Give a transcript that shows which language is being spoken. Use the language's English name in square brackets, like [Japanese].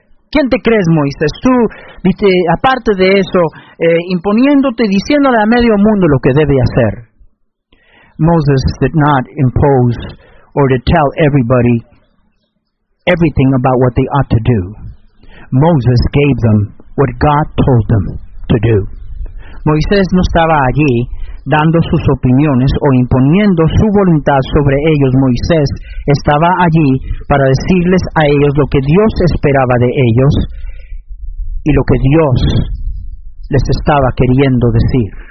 [Spanish] ¿Quién te crees, Moisés? Tú, aparte de eso, imponiéndote, diciéndole a medio mundo lo que debe hacer. [English] Moses did not impose or to tell everybody everything about what they ought to do. Moses gave them what God told them to do. [Spanish] Moisés no estaba allí dando sus opiniones o imponiendo su voluntad sobre ellos. Moisés estaba allí para decirles a ellos lo que Dios esperaba de ellos y lo que Dios les estaba queriendo decir.